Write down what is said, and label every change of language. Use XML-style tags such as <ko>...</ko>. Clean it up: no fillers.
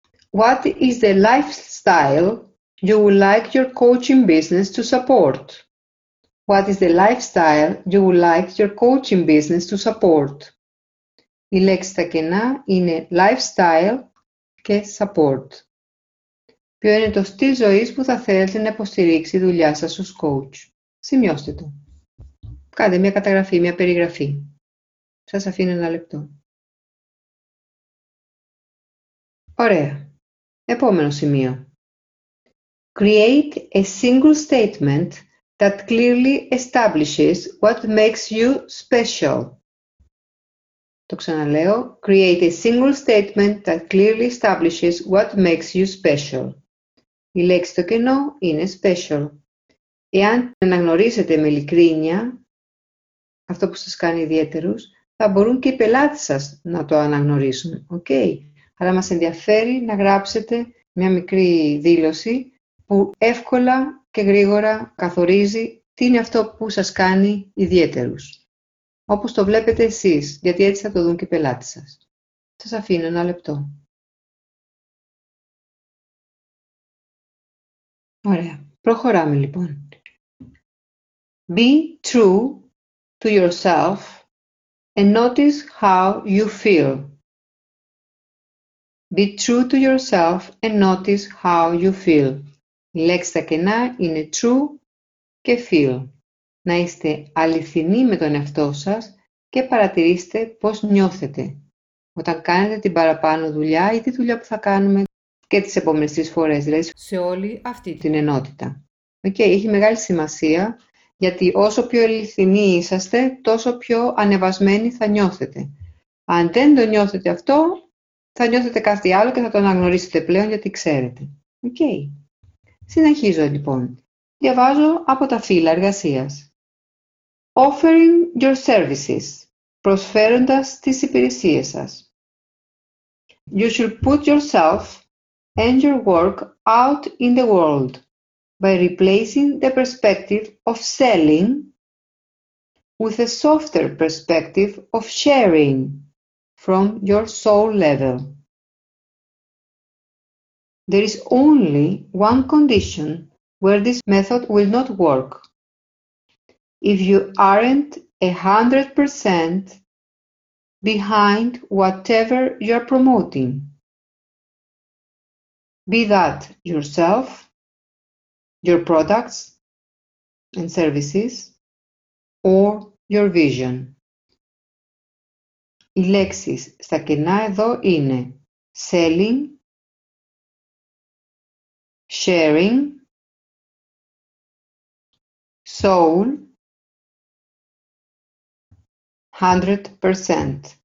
<en>What is the lifestyle you would like your coaching business to support? What is the lifestyle you would like your coaching business to support?</en> <el>Η λέξη στα κενά είναι lifestyle και support. Ποιο είναι το στυλ ζωής που θα θέλετε να υποστηρίξει η δουλειά σας ως coach? Σημειώστε το. Κάντε μια καταγραφή, μια περιγραφή. Σας αφήνω ένα λεπτό. Ωραία. Επόμενο σημείο.</el> <en>Create a single statement that clearly establishes what makes you special.</en> <el>Το ξαναλέω.</el> <en>Create a single statement that clearly establishes what makes you special.</en> <el>Η λέξη στο κενό είναι special. Εάν αναγνωρίσετε με ειλικρίνεια αυτό που σας κάνει ιδιαίτερους, θα μπορούν και οι πελάτες σας να το αναγνωρίσουν. Okay. Αλλά μας ενδιαφέρει να γράψετε μια μικρή δήλωση που εύκολα και γρήγορα καθορίζει τι είναι αυτό που σας κάνει ιδιαίτερους. Όπως το βλέπετε εσείς, γιατί έτσι θα το δουν και οι πελάτες σας. Σας αφήνω ένα λεπτό. Ωραία. Προχωράμε λοιπόν.</el> <en>Be true to yourself and notice how you feel. Be true to yourself and notice how you feel.</en> <el>Η λέξη στα κενά είναι true και feel. Να είστε αληθινοί με τον εαυτό σας και παρατηρήστε πώς νιώθετε όταν κάνετε την παραπάνω δουλειά ή τη δουλειά που θα κάνουμε και τις επόμενες τρεις φορές, δηλαδή σε όλη αυτή την ενότητα. Okay, έχει μεγάλη σημασία, γιατί όσο πιο αληθινοί είσαστε, τόσο πιο ανεβασμένοι θα νιώθετε. Αν δεν το νιώθετε αυτό, θα νιώθετε κάτι άλλο και θα το αναγνωρίσετε πλέον, γιατί ξέρετε. Okay. Συνεχίζω λοιπόν. Διαβάζω από τα φύλλα εργασίας.</el> <en>Offering your services,</en> <el>προσφέροντας τις υπηρεσίες σας.</el> <en>You should put yourself and your work out in the world by replacing the perspective of selling with a softer perspective of sharing from your soul level. There is only one condition where this method will not work. If you aren't 100% behind whatever you're promoting, be that yourself, your products and services, or your vision.</en> <el>Οι λέξεις στα κενά εδώ είναι selling, sharing, soul, 100%.</el>